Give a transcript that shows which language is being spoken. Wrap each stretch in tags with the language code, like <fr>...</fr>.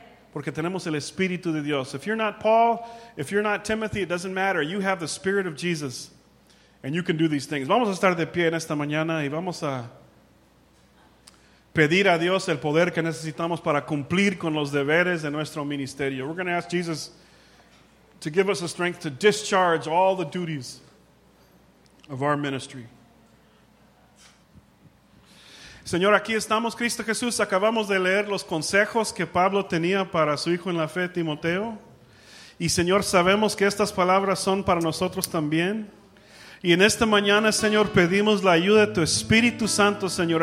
<es>Porque tenemos el Espíritu de Dios.</es> <en>If you're not Paul, if you're not Timothy, it doesn't matter. You have the Spirit of Jesus. And you can do these things.</en> <es>Vamos a estar de pie en esta mañana y vamos a pedir a Dios el poder que necesitamos para cumplir con los deberes de nuestro ministerio.</es> <en>We're going to ask Jesus to give us the strength to discharge all the duties of our ministry.</en> <es>Señor, aquí estamos, Cristo Jesús. Acabamos de leer los consejos que Pablo tenía para su hijo en la fe, Timoteo. Y Señor, sabemos que estas palabras son para nosotros también. Y en esta mañana, Señor, pedimos la ayuda de tu Espíritu Santo, Señor.</es>